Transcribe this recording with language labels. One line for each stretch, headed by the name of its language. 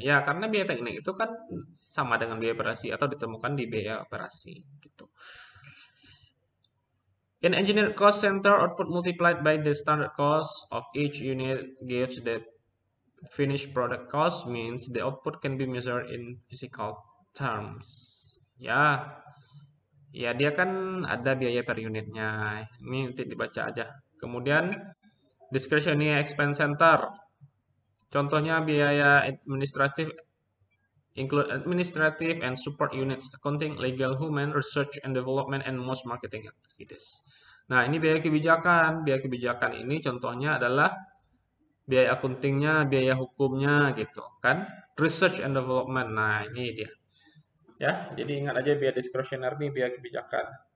Indonesian: Ya, karena biaya teknik itu kan sama dengan biaya operasi atau ditemukan di biaya operasi gitu.
English: In engineer cost center, output multiplied by the standard cost of each unit gives the finished product cost means the output can be measured in physical terms.
Indonesian: Ya. Ya, dia kan ada biaya per unitnya. Ini nanti dibaca aja. Kemudian discretionary expense center. Contohnya biaya administratif
English: include administrative and support units, accounting, legal, human, research and development and most marketing activities.
Indonesian: Nah, ini biaya kebijakan. Biaya kebijakan ini contohnya adalah biaya accountingnya, biaya hukumnya gitu, kan? Research and development. Nah, ini dia. Ya, jadi ingat aja biaya discretionary ini biaya kebijakan.